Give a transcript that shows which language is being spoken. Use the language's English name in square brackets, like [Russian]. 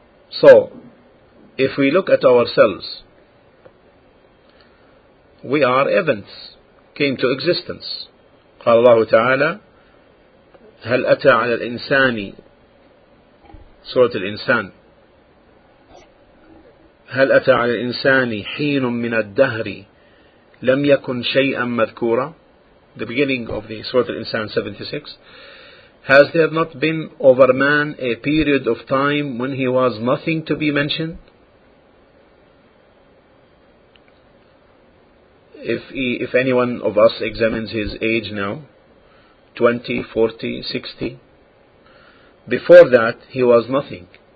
[English] So, if we look at ourselves, we are events, came to existence. [Arabic] قال الله تعالى هل أتى على الإنسان, سورة الإنسان, هل أتى على الإنسان حين من الدهر لم يكن شيئا مذكورا. [English] The beginning of the Surah Al-Insan 76. Has there not been over man a period of time when he was nothing to be mentioned? If anyone of us examines his age now, 20, 40, 60, before that he was nothing.